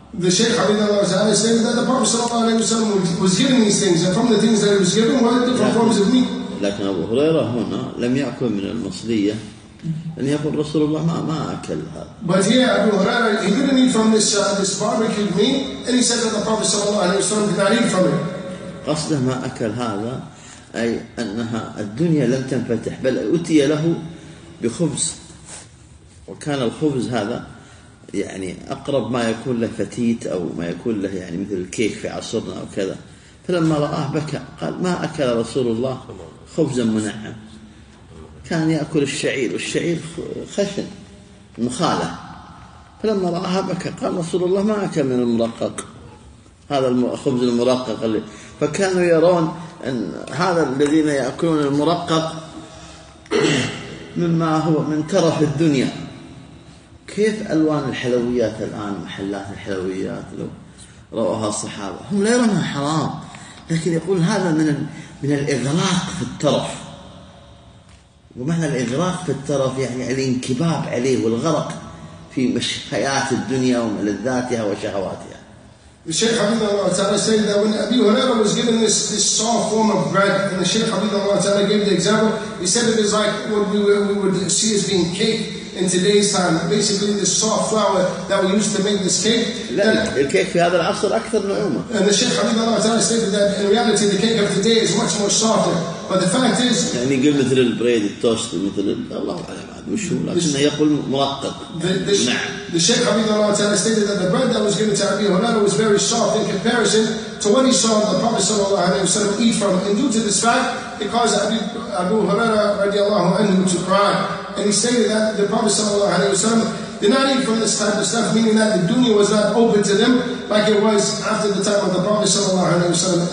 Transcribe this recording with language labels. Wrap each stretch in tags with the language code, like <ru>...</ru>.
<en>The Shaykh Abdullah Ta'ala stated that the Prophet ﷺ was given these things, and from the things that he was given were different forms of meat.</en> <ar>لكن أبو هريرة هنا لم يأكل من المصرية أن يقول رسول الله ما أكل هذا.</ar> <en>But here Abu Huraira, he didn't eat from this barbecued meat, and he said that the Prophet ﷺ did not eat from it.</en> <ar>قصده ما أكل هذا أي أنها الدنيا لم تنفتح بل أتي له بخبز وكان الخبز هذا يعني أقرب ما يكون له فتيت أو ما يكون له يعني مثل الكيك في عصرنا أو كذا. فلما رآه بكى قال ما أكل رسول الله خبزا منعم، كان يأكل الشعير والشعير خشن مخالة. فلما رآه بكى قال رسول الله ما أكل من المرقق، هذا الخبز المرقق اللي، فكانوا يرون أن هذا الذين يأكلون المرقق مما هو من ترف الدنيا. كيف ألوان الحلويات الآن محلات الحلويات لو رأوها الصحابة هم لا يرونها حرام، لكن يقول هذا من الإغراق في الترف. ومعنى الإغراق في الترف يعني الانكباب عليه والغرق في حياة الدنيا وملذاتها وشهواتها. الشيخ حبيب الله تعالى</ar> <en>said that when Abu Huraira was given this soft form of bread, and the Shaykh</en> <ar>حبيب الله تعالى</ar> <en>gave the example, he said it is like what we would see as being cake in today's time, basically this soft flour that we used to make this cake.</en> <ar>لا الكيك في هذا العصر أكثر نعومة.</ar> <en>And the Shaykh</en> <ar>حبيب الله تعالى</ar> <en>said that in reality the cake of today is much more softer. But the fact is</en> <ar>يعني قل مثل البريد التوست مثل الله أعلم مش هو لكنه يقول مرقق.</ar> <en>The Shaykh Habib Allah Ta'ala stated that the bread that was given to Abu Huraira was very soft in comparison to what he saw the Prophet sallallahu alayhi wa sallam eat from. And due to this fact, it caused Abu Huraira radiallahu anhu to cry. And he stated that the Prophet sallallahu alayhi wa sallam did not eat from this type of stuff, meaning that the dunya was not open to them like it was after the time of the Prophet sallallahu alayhi wa sallam.</en>